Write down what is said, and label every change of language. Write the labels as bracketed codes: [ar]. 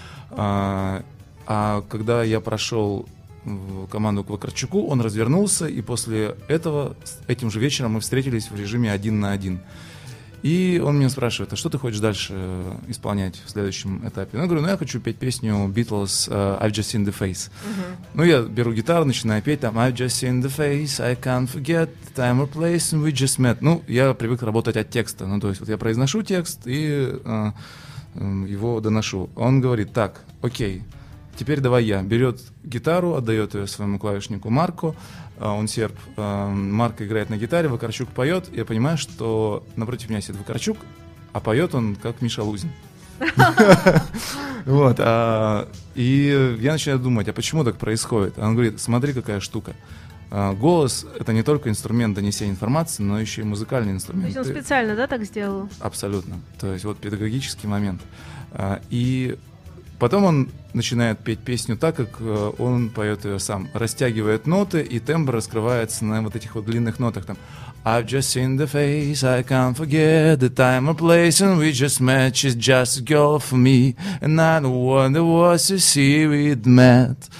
[ru] А когда я прошел команду к Вакарчуку, он развернулся, и после этого, этим же вечером, мы встретились в режиме один на один. И он меня спрашивает: а что ты хочешь дальше исполнять в следующем этапе? Ну, я говорю: ну, я хочу петь песню Beatles [en] «I've just seen the face». [ru] Ну, я беру гитару, начинаю петь там [en] «I've just seen the face, I can't forget the time or place, and we just met». [ru] Ну, я привык работать от текста. Ну, то есть, вот я произношу текст и его доношу. Он говорит: так, окей, теперь давай я. Берет гитару, отдает ее своему клавишнику Марко. Он серб. Марко играет на гитаре, Вакарчук поет. Я понимаю, что напротив меня сидит Вакарчук, а поет он как Миша Лузин. Вот. И я начинаю думать, а почему так происходит? Он говорит: смотри, какая штука. Голос — это не только инструмент донесения информации, но еще и музыкальный инструмент. То есть он специально, да, так сделал? Абсолютно. То есть вот педагогический момент. И потом он начинает петь песню так, как он поет ее сам. Растягивает ноты, и тембр раскрывается на вот этих вот длинных нотах. Там [en] «I've just seen the face, I can't forget the time or place, and we just met, she's just a girl for me, and I don't wonder what you see we'd met».